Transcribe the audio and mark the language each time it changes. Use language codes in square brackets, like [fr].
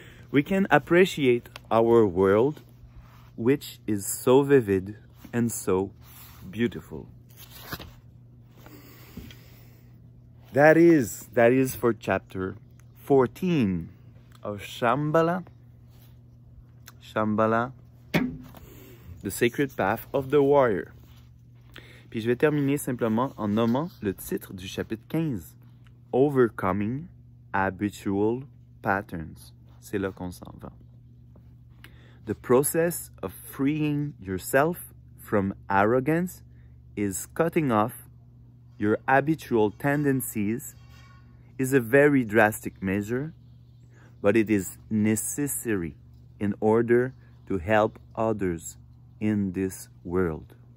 [en] We can appreciate our world, which is so vivid and so beautiful. That is for chapter 14 of Shambhala, the sacred path of the warrior. [fr] Puis je vais terminer simplement en nommant le titre du chapitre 15, Overcoming Habitual Patterns. C'est là qu'on s'en va. [en] The process of freeing yourself from arrogance is cutting off your habitual tendencies is a very drastic measure, but it is necessary in order to help others in this world.